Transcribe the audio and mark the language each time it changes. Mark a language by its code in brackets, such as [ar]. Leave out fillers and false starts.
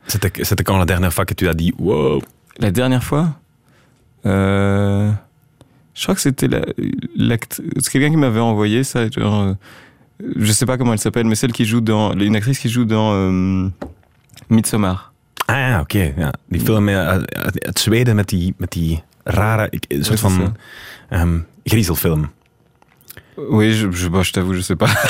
[fr] C'était quand la dernière fois que tu as dit wow? La dernière fois, je crois que c'était c'est quelqu'un qui m'avait envoyé ça. Genre, je sais pas comment elle s'appelle, mais celle qui joue dans... Une actrice qui joue dans Midsommar. [nl] Ah, ok. Ja. Die film uit Zweden met die rare... soort van griezelfilm. [fr] Oui, je t'avoue, je sais pas.